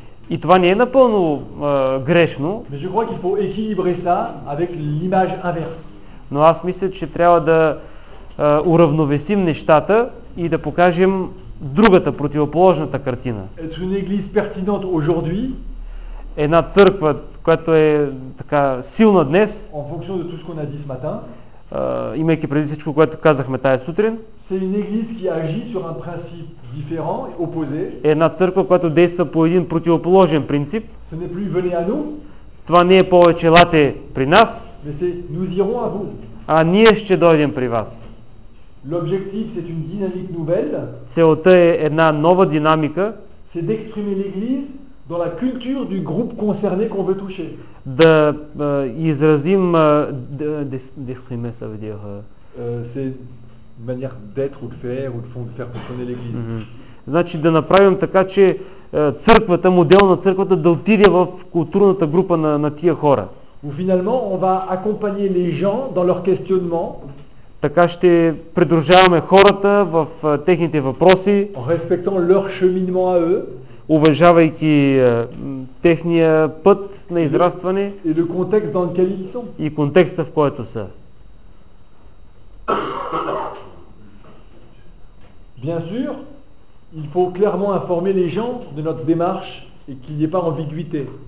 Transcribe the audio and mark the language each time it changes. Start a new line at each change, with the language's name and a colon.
Bulgarian: И това не е напълно грешно.
French: Mais je crois qu'il faut équilibrer ça avec l'image inverse.
Bulgarian: Но аз мисля, че трябва да уравновесим нещата и да покажем другата, противоположната картина.
French: Être une église pertinente aujourd'hui,
Bulgarian: една църква, която е така силна днес,
French: en fonction de tout ce qu'on a dit ce matin,
Bulgarian: имайки преди всичко, което казахме тая сутрин,
French: c'est une église qui agit sur un principe différent et opposé.
Bulgarian: Една църква, която действа по един противоположен принцип.
French: Ce n'est plus venez à nous.
Bulgarian: Това не е повече лате при нас.
French: Mais c'est nous irons à vous.
Bulgarian: А ние ще дойдем при вас.
French: L'objectif c'est une dynamique nouvelle.
Bulgarian: Целта е една нова динамика.
French: C'est d'exprimer l'église dans la culture du groupe concerné qu'on veut toucher.
Bulgarian: Да изразим
French: d'exprimer ça veut dire c'est manière d'être ou de faire ou de faire fonctionner l'église. Mm-hmm.
Bulgarian: Значи да направим така, че църквата, модел на църквата да отиде в културната група на тия хора.
French: Ou finalement on va accompagner les gens dans leur questionnement.
Bulgarian: Така ще придружаваме хората в техните въпроси,
French: respectant leur cheminement à eux,
Bulgarian: уважавайки техния път на израстване
French: et le context dans lequel ils sont.
Bulgarian: И контекста, в който са.
French: Bien sûr, il faut clairement informer les gens de notre démarche et qu'il n'y ait pas ambiguïté.